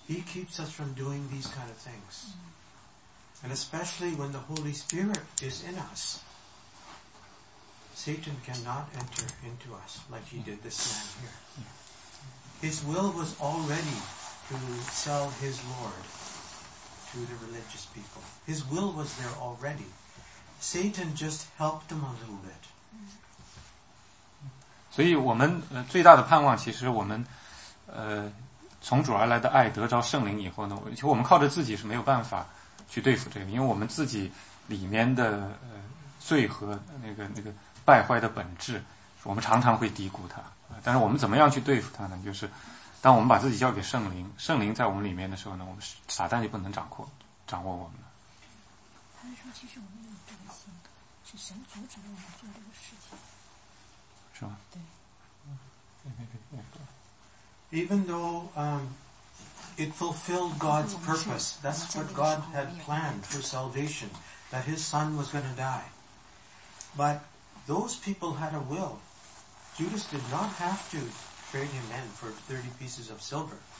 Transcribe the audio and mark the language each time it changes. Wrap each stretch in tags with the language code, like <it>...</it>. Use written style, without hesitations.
<en>He keeps us from doing these kind of things. And especially when the Holy Spirit is in us, Satan cannot enter into us like he did this man here. His will was already to sell his Lord to the religious people. His will was there already. Satan just helped him a little bit.</en> <zh>所以我们最大的盼望，其实我们从主而来的爱得着圣灵以后呢，其实我们靠着自己是没有办法去对付这个，因为我们自己里面的罪和那个败坏的本质，我们常常会低估它。但是我们怎么样去对付它呢？就是当我们把自己交给圣灵，圣灵在我们里面的时候呢，我们撒旦就不能掌握我们了。他说，其实我们有这个心，是神阻止了我们做这个事情，是吗？对。</zh> <en>Even though it fulfilled God's purpose, that's what God had planned for salvation, that His Son was going to die, but those people had a will. Judas did not have to trade him in for 30 pieces of silver.</en>